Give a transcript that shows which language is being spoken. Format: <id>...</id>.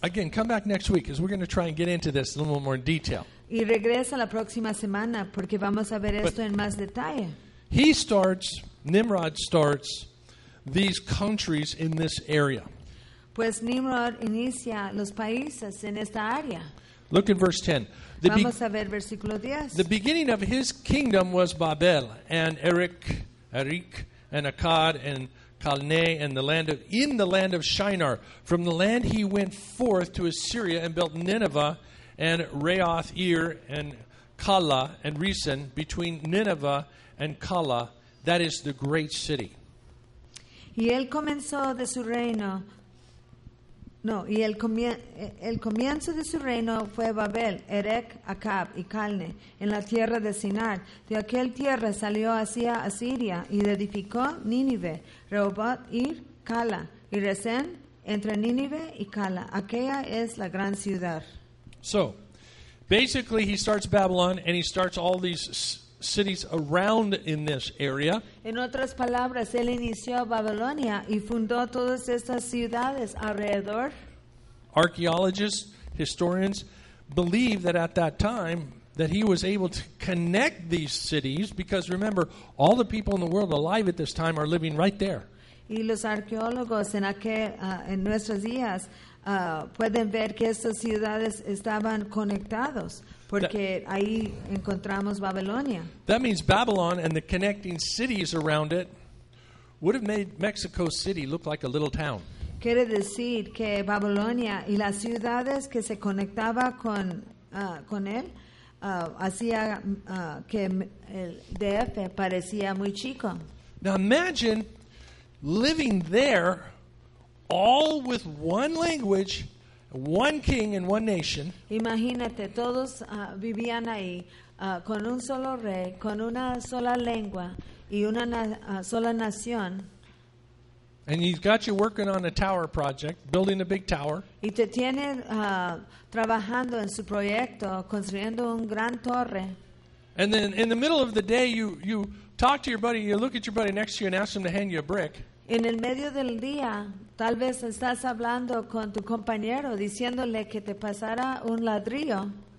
<en>Again, come back next week because we're going to try and get into this a little more in detail.</en> <es>Y regresa la próxima semana porque vamos a ver esto en más detalle.</es> <en>He starts, Nimrod starts these countries in this area.</en> <es>Pues Nimrod inicia los países en esta área.</es> <en>Look at verse 10.</en> <es>Vamos a ver versículo 10.</es> <en>The beginning of his kingdom was Babel and Erech and Akkad and Calneh and the land of in the land of Shinar. From the land he went forth to Assyria and built Nineveh and Raoth Ir and Kala and Resen between Nineveh and Kala. That is the great city.</en> <es>El comienzo de su reino fue Babel, Erech, Acab y Calne, en la tierra de Sinar. De aquel tierra salió hacia Asiria y edificó Nínive, Rehoboth, Ir, Cala y Resén, entre Nínive y Cala. Aquella es la gran ciudad.</es> <en>So, basically he starts Babylon and he starts all these cities around in this area.</en> <es>En otras palabras, él inició Babilonia y fundó todas estas ciudades alrededor.</es> <en>Archaeologists, historians believe that at that time that he was able to connect these cities because remember, all the people in the world alive at this time are living right there.</en> <es>Y los arqueólogos en en nuestros días pueden ver que estas ciudades estaban conectados. Porque ahí encontramos Babilonia.</es> <en>That means Babylon and the connecting cities around it would have made Mexico City look like a little town.</en> <es>Quiere decir que Babilonia y las ciudades que se conectaba con él hacía que el DF parecía muy chico.</es> <en>Now imagine living there all with one language. One king and one nation.</en> <es>Imagínate, todos vivían ahí con un solo rey, con una sola lengua y una sola nación.</es> <en>And you've got you working on a tower project, building a big tower.</en> <es>Y te tiene trabajando en su proyecto, construyendo un gran torre.</es> <en>And then in the middle of the day, you talk to your buddy, you look at your buddy next to you and ask him to hand you a brick.</en> <es>En el medio del día, tal vez estás hablando con tu compañero, diciéndole que te pasara un ladrillo.</es>